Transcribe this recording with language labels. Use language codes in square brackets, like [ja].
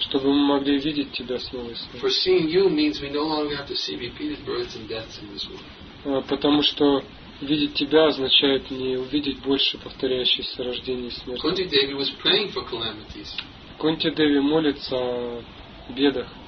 [ru] Чтобы мы могли видеть тебя снова и снова. [en] For seeing you means we no longer have to see repeated births and deaths in this world. [ru] Потому что видеть тебя означает не увидеть больше повторяющихся рождений и смерти. [en] Kunti Devi was praying for calamities. [ru] Кунти Деви молится о бедах.